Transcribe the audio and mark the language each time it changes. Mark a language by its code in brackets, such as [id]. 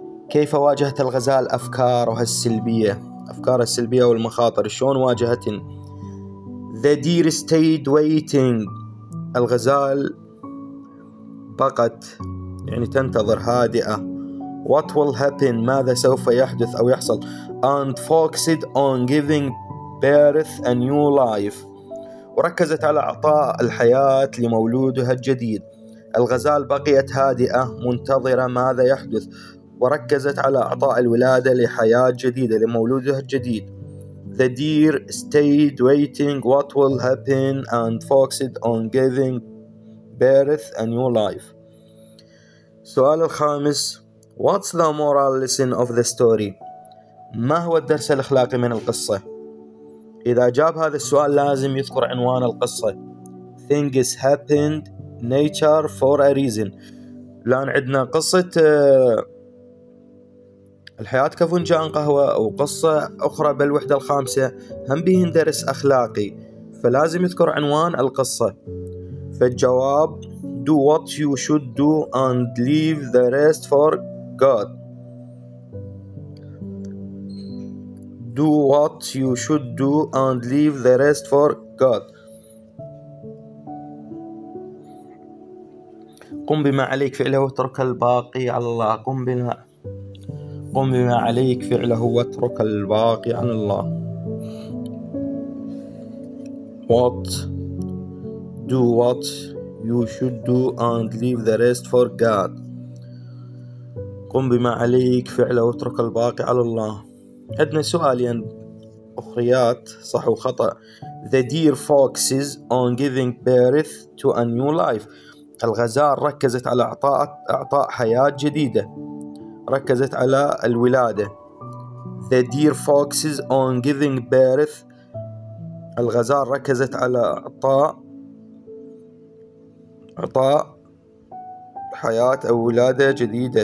[ar] كيف واجهت الغزال أفكارها السلبية؟ أفكارها السلبية والمخاطر شلون واجهتن؟ [en] The deer stayed waiting. [ar] الغزال بقت، يعني تنتظر هادئة. [en] What will happen? [ar] ماذا سوف يحدث أو يحصل؟ [en] And focused on giving birth a new life. [ar] وركزت على إعطاء الحياة لمولودها الجديد. الغزال بقيت هادئة منتظرة ماذا يحدث، وركزت على إعطاء الولادة لحياة جديدة لمولودها الجديد. [en] The deer stayed waiting what will happen and focused on giving birth a new life. [ar] السؤال الخامس: [en] What's the moral lesson of the story? [ar] ما هو الدرس الأخلاقي من القصة؟ إذا جاب هذا السؤال لازم يذكر عنوان القصة. [en] Things happened nature for a reason. [ar] لان عندنا قصة الحياة كفنجان قهوة أو قصة أخرى بالوحدة الخامسة هم بيهن درس أخلاقي، فلازم يذكر عنوان القصة. فالجواب [en] Do what you should do and leave the rest for God. Do what you should do and leave the rest for God. [ar] قم بما عليك فعله وترك الباقي على الله. قم بما عليك فعله وترك الباقي على الله. [en] Do what you should do and leave the rest for God. [ar] قم بما عليك فعله وترك الباقي على الله. عندنا سؤالين أخريات صح وخطأ. [en] The deer focuses on giving birth to a new life. [ar] الغزال ركزت على إعطاء حياة جديدة، ركزت على الولادة. [en] The deer focuses on giving birth. [ar] الغزال ركزت على إعطاء حياة أو ولادة جديدة.